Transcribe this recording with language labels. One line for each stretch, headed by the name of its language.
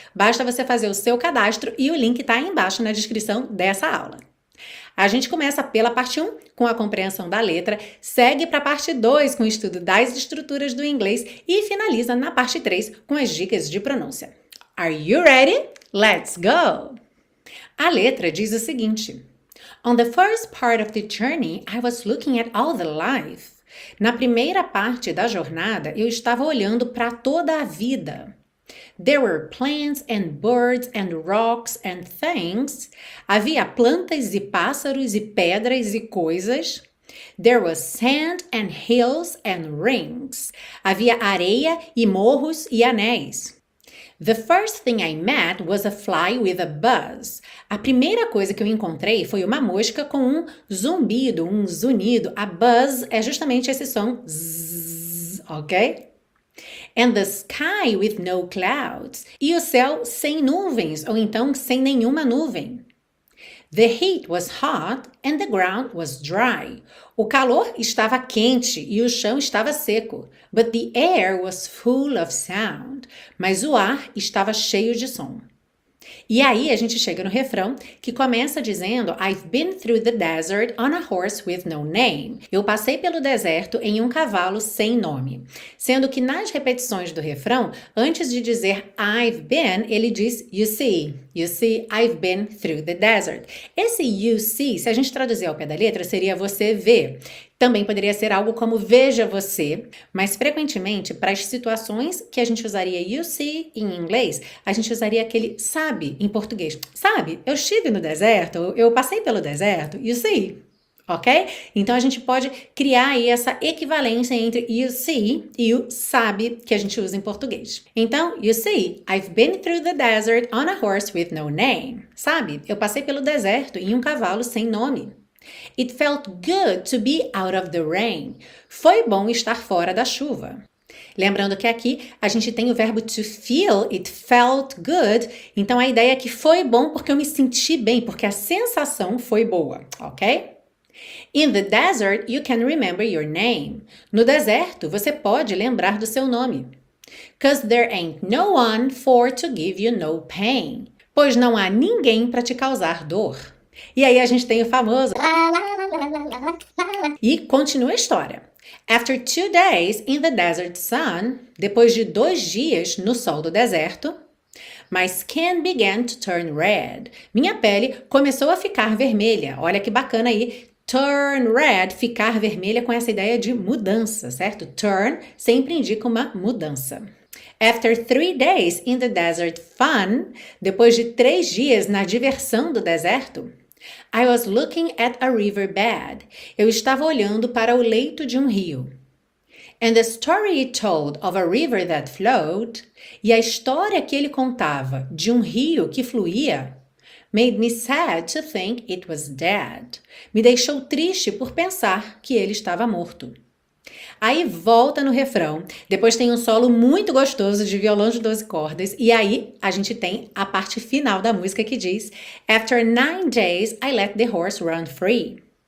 Portuguese: Basta você fazer o seu cadastro e o link está aí embaixo na descrição dessa aula. A gente começa pela parte 1, com a compreensão da letra, segue para a parte 2, com o estudo das estruturas do inglês, e finaliza na parte 3, com as dicas de pronúncia.
English: Are you ready? Let's go!
Portuguese: A letra diz o seguinte:
English: On the first part of the journey, I was looking at all the life.
Portuguese: Na primeira parte da jornada, eu estava olhando para toda a vida.
English: There were plants and birds and rocks and things.
Portuguese: Havia plantas e pássaros e pedras e coisas.
English: There was sand and hills and rings.
Portuguese: Havia areia e morros e anéis.
English: The first thing I met was a fly with a buzz.
Portuguese: A primeira coisa que eu encontrei foi uma mosca com um zumbido, um zunido. A buzz é justamente esse som zzz, ok?
English: And the sky with no clouds.
Portuguese: E o céu sem nuvens, ou então sem nenhuma nuvem.
English: The heat was hot and the ground was dry.
Portuguese: O calor estava quente e o chão estava seco.
English: But the air was full of sound.
Portuguese: Mas o ar estava cheio de som. E aí a gente chega no refrão que começa dizendo:
English: I've been through the desert on a horse with no name.
Portuguese: Eu passei pelo deserto em um cavalo sem nome. Sendo que nas repetições do refrão, antes de dizer I've been, ele diz
English: you see, I've been through the desert.
Portuguese: Esse you see, se a gente traduzir ao pé da letra, seria você vê. Também poderia ser algo como veja você, mas frequentemente para as situações que a gente usaria you see em inglês, a gente usaria aquele sabe em português. Sabe, eu estive no deserto, eu passei pelo deserto, you see, ok? Então a gente pode criar aí essa equivalência entre you see e o sabe que a gente usa em português.
English: Então, you see, I've been through the desert on a horse with no name.
Portuguese: Sabe, eu passei pelo deserto em um cavalo sem nome.
English: It felt good to be out of the rain.
Portuguese: Foi bom estar fora da chuva. Lembrando que aqui a gente tem o verbo to feel,
English: it felt good.
Portuguese: Então a ideia é que foi bom porque eu me senti bem, porque a sensação foi boa, ok?
English: In the desert, you can remember your name.
Portuguese: No deserto, você pode lembrar do seu nome.
English: 'Cause there ain't no one for to give you no pain.
Portuguese: Pois não há ninguém para te causar dor. E aí a gente tem o famoso. E continua a história.
English: After 2 days in the desert sun,
Portuguese: depois de 2 dias no sol do deserto,
English: my skin began to turn red.
Portuguese: Minha pele começou a ficar vermelha. Olha que bacana aí, Turn red, ficar vermelha, com essa ideia de mudança, certo? Turn sempre indica uma mudança.
English: After 3 days in the desert fun,
Portuguese: depois de 3 dias na diversão do deserto,
English: I was looking at a riverbed.
Portuguese: Eu estava olhando para o leito de um rio.
English: And the story he told of a river that flowed,
Portuguese: e a história que ele contava de um rio que fluía,
English: made me sad to think it was dead.
Portuguese: Me deixou triste por pensar que ele estava morto. Aí volta no refrão, depois tem um solo muito gostoso de violão de 12 cordas, e aí a gente tem a parte final da música que diz:
English: After 9 days, I let the horse run free.